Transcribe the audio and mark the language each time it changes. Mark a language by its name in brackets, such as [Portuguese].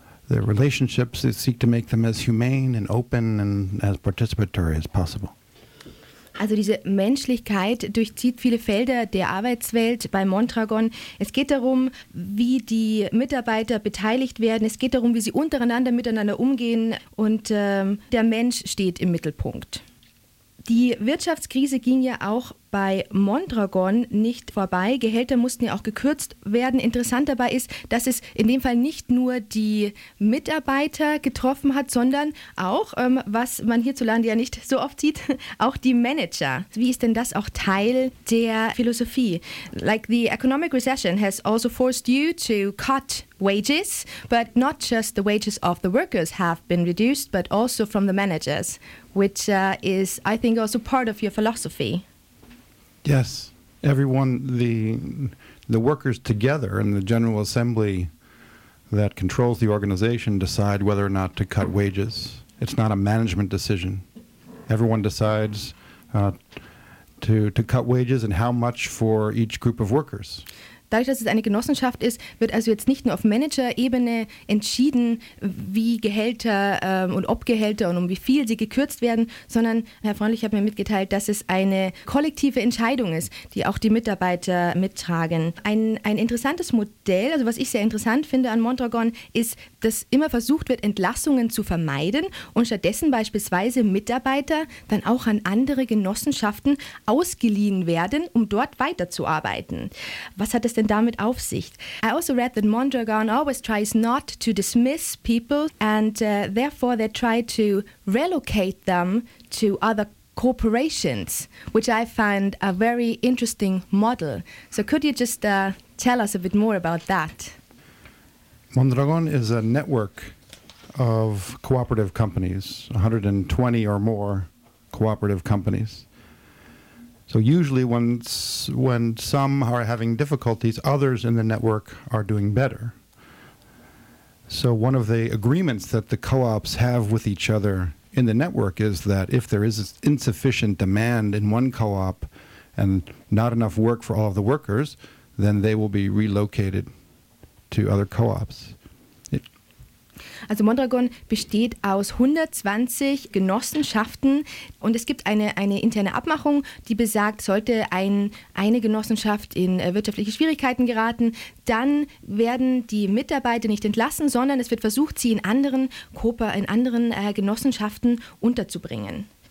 [English] The relationships that seek to make them as humane and open and as participatory as possible. [German] Also diese Menschlichkeit durchzieht viele Felder der Arbeitswelt bei Mondragon. Es geht darum, wie die Mitarbeiter beteiligt werden. Es geht darum, wie sie untereinander miteinander umgehen. Und der Mensch steht im Mittelpunkt. Die Wirtschaftskrise ging ja auch bei Mondragon nicht vorbei. Gehälter mussten ja auch gekürzt werden. Interessant dabei ist, dass es in dem Fall nicht nur die Mitarbeiter getroffen hat, sondern auch, was man hierzulande ja nicht so oft sieht, auch die Manager. Wie ist denn das auch Teil der Philosophie? [English] Like the economic recession has also forced you to cut wages, but not just the wages of the workers have been reduced, but also from the managers, which is, I think, also part of your philosophy. Yes, everyone, the workers together in the General Assembly that controls the organization decide whether or not to cut wages. It's not a management decision. Everyone decides to cut wages and how much for each group of workers. [German] Dadurch, dass es eine Genossenschaft ist, wird also jetzt nicht nur auf Managerebene entschieden, wie Gehälter und ob Gehälter und um wie viel sie gekürzt werden, sondern Herr Freundlich hat mir mitgeteilt, dass es eine kollektive Entscheidung ist, die auch die Mitarbeiter mittragen. Ein interessantes Modell, also was ich sehr interessant finde an Mondragon, ist, dass immer versucht wird, Entlassungen zu vermeiden und stattdessen beispielsweise Mitarbeiter dann auch an andere Genossenschaften ausgeliehen werden, um dort weiterzuarbeiten. Was hat es denn damit auf sich? [English] I also read that Mondragon always tries not to dismiss people and therefore they try to relocate them to other corporations, which I find a very interesting model. So could you just tell us a bit more about that? Mondragon is a network of cooperative companies, 120 or more cooperative companies. So usually when some are having difficulties, others in the network are doing better. So one of the agreements that the co-ops have with each other in the network is that if there is insufficient demand in one co-op and not enough work for all of the workers, then they will be relocated to other co-ops. [German] Also Mondragon besteht aus 120 Genossenschaften und es gibt eine interne Abmachung, die besagt, sollte eine Genossenschaft in wirtschaftliche Schwierigkeiten geraten, dann werden die Mitarbeiter nicht entlassen, sondern es wird versucht, sie in anderen Genossenschaften unterzubringen.